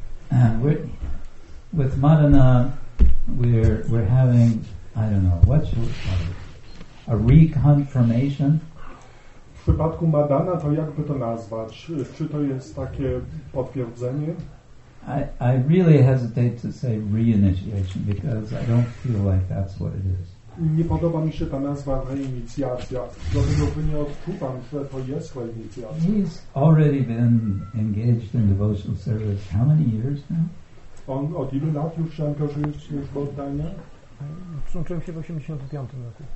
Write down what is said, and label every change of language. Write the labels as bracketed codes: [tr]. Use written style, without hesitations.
[en] And with Madana, we're having, I don't know, what should we call it? A reconfirmation? [pl] W przypadku Madana, to jak by to nazwać? Czy to jest takie potwierdzenie? [en] I really hesitate to say reinitiation because I don't feel like that's what it is. [pl] Nie podoba mi się ta nazwa reinicjacja, dlatego że nie odczuwam, że to jest reinicjacja. [en] He's already been engaged in devotional service how many years now? [pl] On od ilu lat już się angażuje w służbę oddania? Przyłączyłem się w 85 roku.